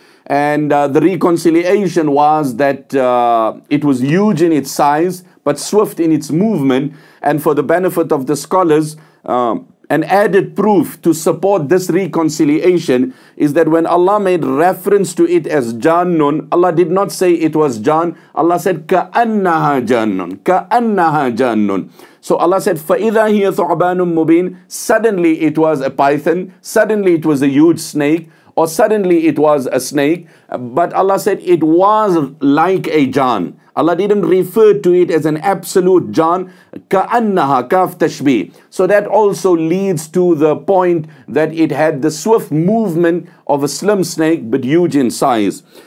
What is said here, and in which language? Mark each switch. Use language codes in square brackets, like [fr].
[en] And the reconciliation was that it was huge in its size, but swift in its movement, and for the benefit of the scholars, an added proof to support this reconciliation is that when Allah made reference to it as Jannun, Allah did not say it was Jann. Allah said, [ar] كَأَنَّهَا جَنُّن, كَأَنَّهَا جَنُّن. [en] So Allah said, [ar] فَإِذَا هِيَ ثُعْبَانٌ مُبِينٌ. [en] Suddenly it was a python, suddenly it was a huge snake, or suddenly it was a snake. But Allah said it was like a Jann. Allah didn't refer to it as an absolute jan, ka'annaha, kaf tashbih. So that also leads to the point that it had the swift movement of a slim snake, but huge in size.